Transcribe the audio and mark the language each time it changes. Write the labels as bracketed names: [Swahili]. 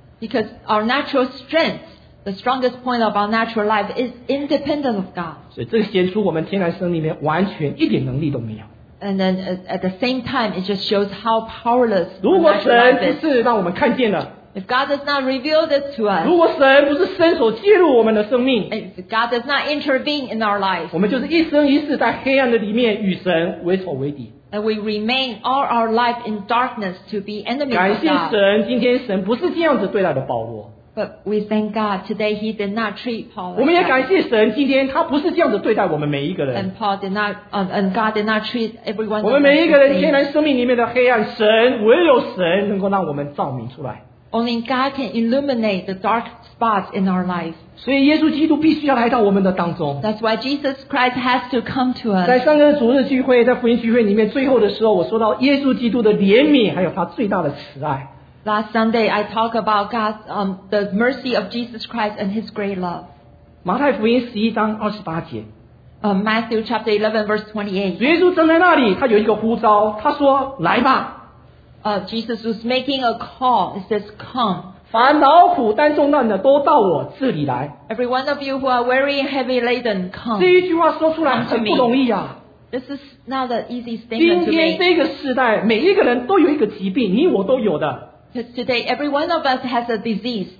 [English] Because our natural strength, the strongest point of our natural life is independent of God. [Chinese] 所以这显出我们天然生命里面完全一点能力都没有。 [English] And then at the same time, it just shows how powerless. [Chinese] 如果神不是让我们看见了。 [English] If God does not reveal this to us, [Chinese] 如果神不是伸手介入我们的生命， [English] if God does not intervene in our life, [Chinese] 我们就是一生一世在黑暗的里面与神为仇为敌。 [English] And we remain all our life in darkness to be enemies of God. [Chinese] 感谢神，今天神不是这样子对待的保罗。 [English] But we thank God today He did not treat Paul like that. [Chinese] 我们也感谢神，今天他不是这样子对待我们每一个人。 [English] And Paul did not, and God did not treat everyone. [Chinese] 我们每一个人天然生命里面的黑暗，神唯有神能够让我们照明出来。 [English] Only God can illuminate the dark spots in our life. [Chinese] 所以耶稣基督必须要来到我们的当中。 [English] That's why Jesus Christ has to come to us. [Chinese] 在上个主日聚会，在福音聚会里面最后的时候，我说到耶稣基督的怜悯，还有他最大的慈爱。 [English] Last Sunday, I talked about God, the mercy of Jesus Christ and His great love. [Chinese] 马太福音十一章二十八节。 [English] Matthew chapter 11 verse 28. [Chinese] 耶稣站在那里，他有一个呼召，他说：“来吧。” [English] Jesus was making a call. It says, come. [Chinese] 凡劳苦担重担的都到我这里来。 [English] Every one of you who are very heavy laden, come. [Chinese] 这一句话说出来很不容易啊。 [English] This is not an easy statement to make. [Chinese] 今天这个时代，每一个人都有一个疾病，你我都有的。 [English] Because today, every one of us has a disease.